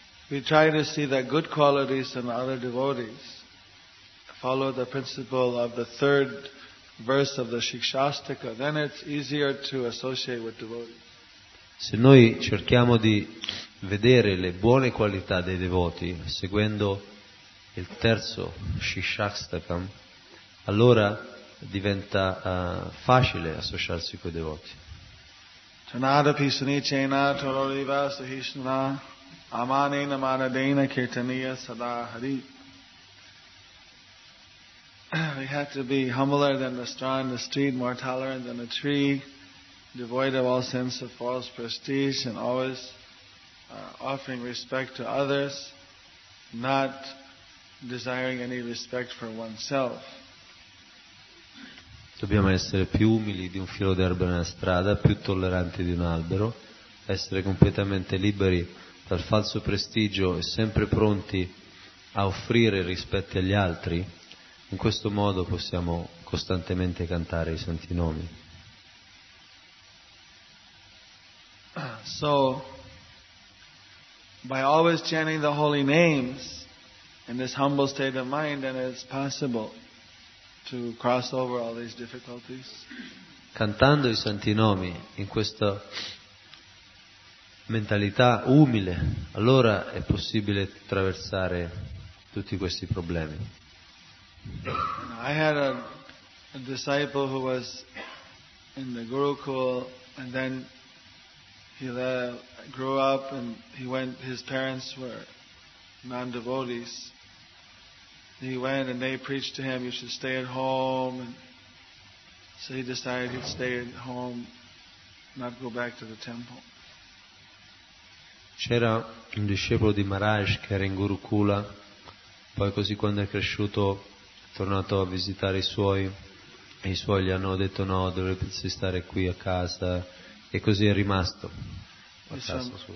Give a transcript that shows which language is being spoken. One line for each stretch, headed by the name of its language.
English: We try to see the good qualities in other devotees. Follow the principle of the third verse of the Shikshastika, then it's easier to associate with devotees.
Italian: Se noi cerchiamo di vedere le buone qualità dei devoti seguendo il terzo Shikshastakam, allora diventa facile associarsi con i devoti.
Sanskrit: Tanada pisunichena toroliva sahishna amanena manadena ketaniya sada hari.
English: We have to be humbler than the straw in the street, more tolerant than a tree, devoid of all sense of false prestige, and always offering respect to others, not desiring any respect for oneself.
Italian: Dobbiamo essere più umili di un filo d'erba nella strada, più tolleranti di un albero, essere completamente liberi dal falso prestigio e sempre pronti a offrire rispetti agli altri. In questo modo possiamo costantemente cantare i santi nomi.
English: So, by always chanting the holy names in this humble state of mind, then it's possible to cross over all these difficulties.
Italian: Cantando i santi nomi in questa mentalità umile, allora è possibile attraversare tutti questi problemi.
English: I had a disciple who was in the Gurukul, and then he grew up and he went, his parents were non-devotees. He went and they preached to him, you should stay at home. And so he decided he'd stay at home, not go back to the temple.
Italian: C'era un discepolo di Maharaj che era in Gurukula, poi così quando è cresciuto è tornato a visitare i suoi e i suoi gli hanno detto no, dovresti stare qui a casa, e così è rimasto a casa sua.